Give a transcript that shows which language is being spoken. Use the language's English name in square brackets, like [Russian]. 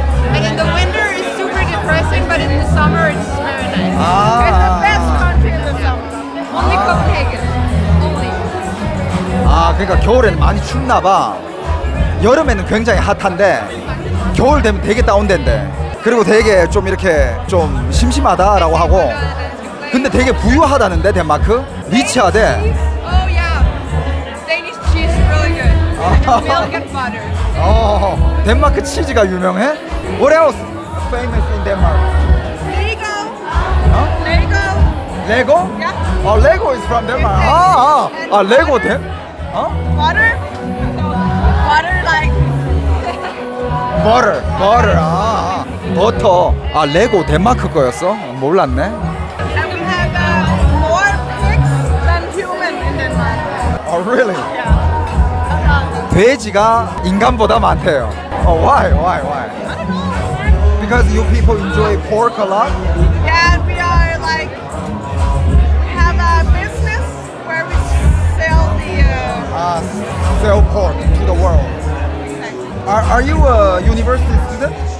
[English] And in the winter, it's super depressing, but in the summer, it's very nice. It's the best country in the summer. Only Copenhagen. Only. [Korean] 아, 그러니까 겨울에는 많이 춥나 봐. 여름에는 굉장히 핫한데 겨울 되면 되게 다운된대. 그리고 되게 좀 이렇게 좀 심심하다라고 하고. 근데 되게 부유하다는데 덴마크? 리치하대. [English] Oh yeah. Danish cheese is really good. Milk and butter. [Korean] 덴마크 치즈가 유명해? [English] What else? Famous in Denmark. Lego. 어? Lego. Lego? Yeah. 아, Lego is from Denmark. 아, 아. 아, Lego 덴? 어? Butter? Butter, like... Butter, butter, 아, 버터. [Korean] 아, 레고 덴마크 거였어? 몰랐네. [English] And we have more pigs than human in Denmark. Oh, really? Yeah. [Korean] 돼지가 인간보다 많대요. [English] Oh, why? Why? Why? I don't know. Because you people enjoy pork a lot? Yeah, and we are like... have a business where we sell the... sell pork to the world. Are you a university student?